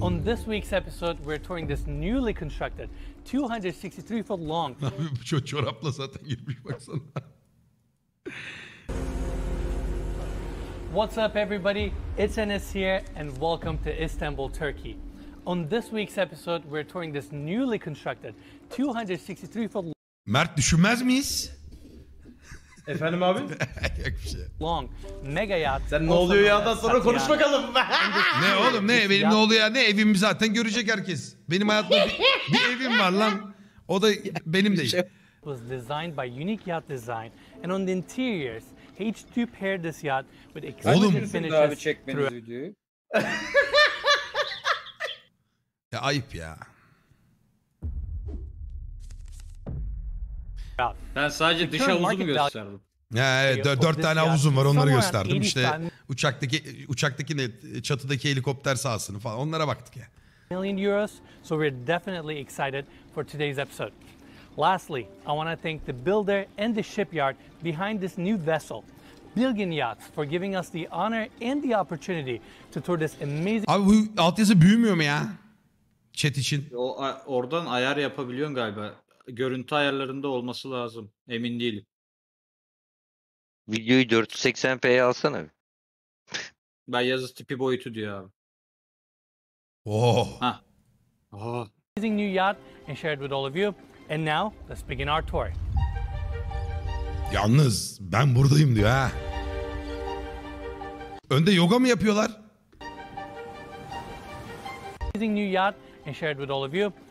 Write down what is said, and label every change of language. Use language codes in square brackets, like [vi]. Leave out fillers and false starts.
[en] On this week's episode, we're touring this newly constructed 263 foot long. [tr] Abi bu çorapla zaten girmiş baksana. [en] What's up everybody? It's Enes here and welcome to Istanbul, Turkey. On this week's episode, we're touring this newly constructed 263 foot long. [tr] Mert düşünmez miyiz? Efendim abi? Yok bir şey. [en] Long, mega yacht. [tr] Sen ne oluyor ya da sonra konuş bakalım. Ne oğlum ne benim ne oluyor ya ne evimi zaten görecek herkes. Benim hayatımda bir evim var lan. O da benim değil. [en] It was designed by Unique Yacht Design and on the interiors, H2 paired this yacht with exquisite finishes. [tr] Oğlum. Abi çekmeni ya ayıp ya. Ben sadece dış havuzumu gösterdim. Ya evet, dört tane havuzum var onları gösterdim. İşte uçaktaki ne çatıdaki helikopter sahasını falan onlara baktık ya. [en] Million euros, so we're definitely excited for today's episode. Lastly, I want to thank the builder and the shipyard behind this new vessel, Bilgin Yachts, for giving us the honor and the opportunity to tour this amazing. [tr] Abi bu altyazı büyümüyor mu ya? Chat için. O oradan ayar yapabiliyorsun galiba. Görüntü ayarlarında olması lazım. Emin değilim. Videoyu 480p'ye alsana. Ben yazı tipi boyutu diyor abi. Oh. Ha. Oh. [en] Amazing new yacht and shared with all of you. And now let's begin our tour. [tr] Yalnız ben buradayım diyor ha. Önde yoga mı yapıyorlar? [en] Amazing new yacht and shared with all of you.